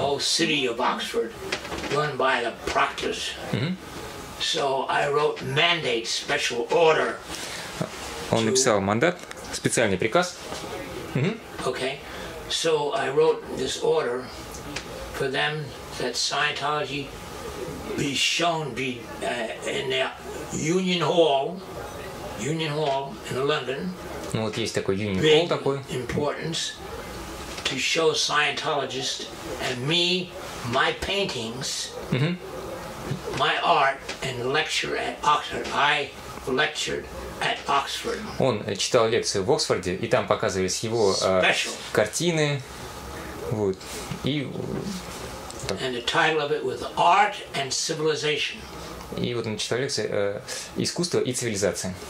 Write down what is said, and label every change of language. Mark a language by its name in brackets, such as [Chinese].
[English] Whole city of Oxford, run by the proctors. So I wrote mandate, special order. [Russian] Он написал мандат, специальный приказ. [English] Okay, so I wrote this order for them that Scientology be shown in their Union Hall in London. [Russian] Ну, вот есть такой Union Hall такой. [English] Importance. to show Scientologists and me my paintings, mm-hmm. my art, and lecture at Oxford. I lectured at Oxford. [Russian] Он читал лекцию в Оксфорде, и там показывались его картины. Вот. И, [English] and the title of it was Art and Civilization. [Russian] И вот он читал лекции «Искусство и цивилизация».